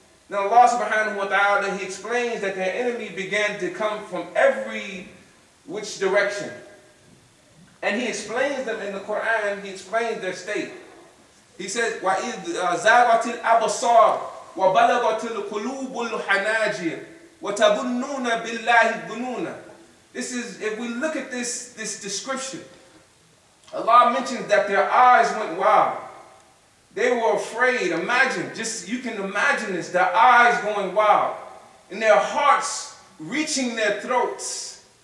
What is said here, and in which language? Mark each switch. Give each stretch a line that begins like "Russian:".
English: Then Allah subhanahu wa ta'ala, He explains that their enemy began to come from every which direction. And He explains them in the Quran, He explains their state. He says,
Arabic: وَإِذْ زَارَتِ الْأَبْصَارُ وَبَلَغَتِ الْقُلُوبُ الْحَنَاجِرُ وَتَظُنُّونَ بِاللَّهِ الظُّنُونَ.
English: This is, if we look at this description, Allah mentions that their eyes went wild. They were afraid. Imagine, just you can imagine this, their eyes going wild and their hearts reaching their throats.